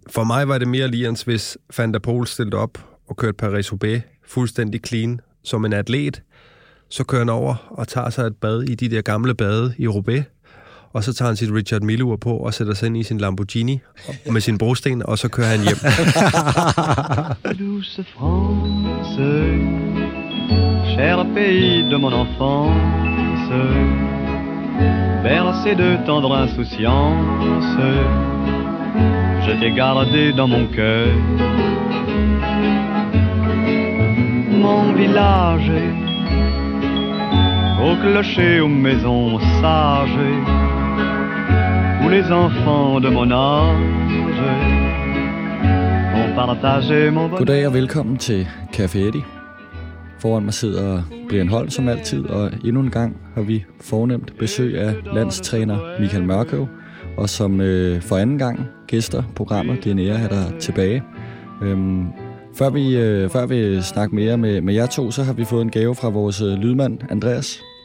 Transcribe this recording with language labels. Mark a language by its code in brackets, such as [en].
[da] For mig var det mere lige, hvis Van der Poel stillede op og kørte Paris-Roubaix fuldstændig clean som en atlet. Så kører han over og tager sig et bad i de der gamle bade i Roubaix. Og så tager han sit Richard Mille-ur på og sætter sig ind i sin Lamborghini med sin brosten, og så kører han hjem. [fr] Douce France, cher pays de mon enfance, bercé de tendre insouciance, je t'ai gardé dans mon cœur. Mon village, au clocher, aux maisons sages, où les enfants de mon âge ont partagé mon bonheur. [da] Goddag og velkommen til Café Eddie. Foran mig sidder Brian Holm som altid, og endnu en gang har vi fornemt besøg af landstræner Michael Mørkøv, og som for anden gang gæster programmet, det er nære her der tilbage. Før vi snakker mere med jer to, så har vi fået en gave fra vores lydmand Andreas.